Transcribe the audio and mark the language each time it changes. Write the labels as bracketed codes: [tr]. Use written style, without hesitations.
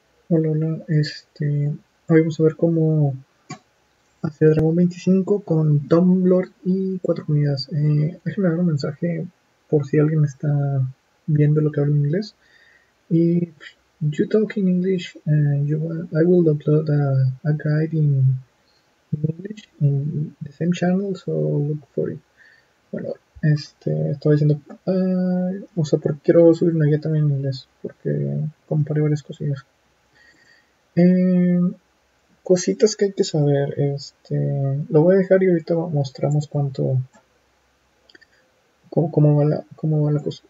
[es] Hola, hoy vamos a ver cómo hacer Dragon 25 con Tom Lord y cuatro comidas. Déjenme dar un mensaje por si alguien está viendo lo que hablo en inglés. [en] Y you talk in English, you, I will upload a guide in English in the same channel, so look for it. [es] Bueno, estaba diciendo, o sea, porque quiero subir una guía también en inglés, porque comparé varias cosillas. Cositas que hay que saber, lo voy a dejar y ahorita mostramos cuánto, cómo va la cosa.